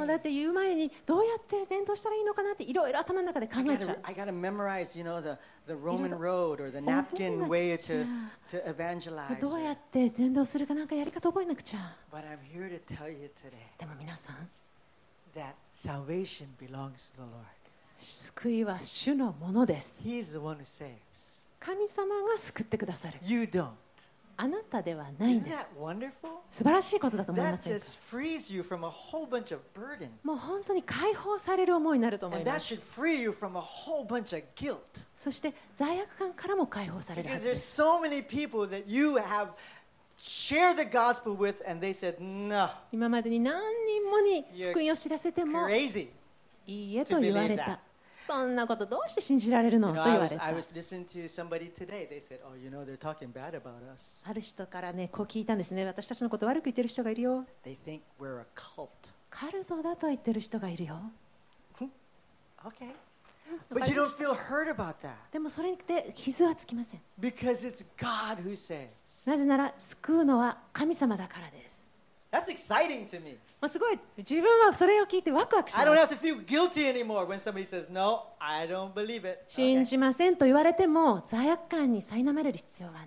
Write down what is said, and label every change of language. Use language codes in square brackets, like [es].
[ja] だって言う前にどうやって伝道したらいいのかなっていろいろ頭の中で考えちゃう。 [en] I gotta memorize, you know, the Roman road or the napkin way to evangelize. [ja] どうやって伝道するかなんかやり方覚えなくちゃ。 [en] But I'm here to tell you today. [ja] でも皆さん、 [en] that salvation belongs to the Lord. [ja] 救いは主のものです。 [en] He's the one who saves. [ja] 神様が救ってくださる。 [en] You don't. [ja] あなたではないんです。 [en] Isn't that wonderful? [ja] 素晴らしいことだと思いませんか? [en] That just frees you from a whole bunch of burden. [ja] もう本当に解放される思いになると思います。 [en] And that should free you from a whole bunch of guilt. [ja] そして罪悪感からも解放されるはずです。 [en] Because there's so many people that you have shared the gospel with and they said no. [ja] 今までに何人もに福音を知らせても [en] You're crazy. [ja] いいえと言われた。そんなことどうして信じられるの？と言われた。 [en] I was listening to somebody today. They said, "Oh, you know, they're talking bad about us." [ja] ある人からね、こう聞いたんですね。私たちのこと悪く言ってる人がいるよ。 [en] They think we're a cult. [ja] カルトだと言ってる人がいるよ。 [en] Okay. But you don't feel hurt about that. [ja] でもそれで傷はつきません。 [en] Because it's God who saves. [ja] なぜなら救うのは神様だからです。 [en] That's exciting to me. [ja] まあ、すごい自分はそれを聞いてワクワクします。 [en] I don't have to feel guilty anymore when somebody says no, I don't believe it. [ja] 信じませんと言われても罪悪感に苛まれる必要はない。